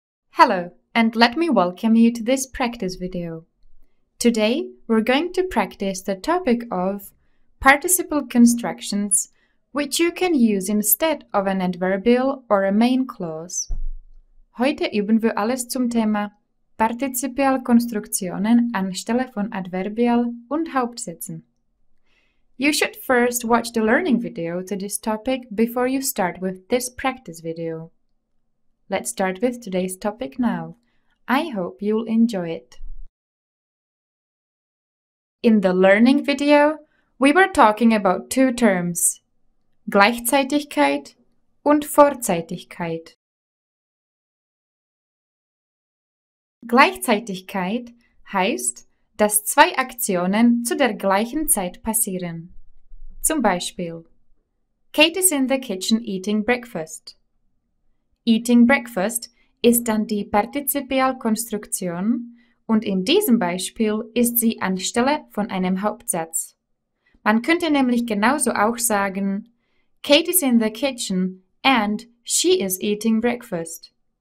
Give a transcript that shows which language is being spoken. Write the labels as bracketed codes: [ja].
[en] Hello, and let me welcome you to this practice video. Today, we're going to practice the topic of participle constructions, which you can use instead of an adverbial or a main clause. [de] Heute üben wir alles zum Thema Partizipialkonstruktionen anstelle von Adverbial und Hauptsätzen. [en] You should first watch the learning video to this topic before you start with this practice video. Let's start with today's topic now. I hope you'll enjoy it. In the learning video, we were talking about two terms, [de] Gleichzeitigkeit und Vorzeitigkeit. Gleichzeitigkeit heißt, dass zwei Aktionen zu der gleichen Zeit passieren. Zum Beispiel, [en] Kate is in the kitchen eating breakfast. Eating breakfast [de] ist dann die Partizipialkonstruktion und in diesem Beispiel ist sie anstelle von einem Hauptsatz. Man könnte nämlich genauso auch sagen, [en] Kate is in the kitchen and she is eating breakfast.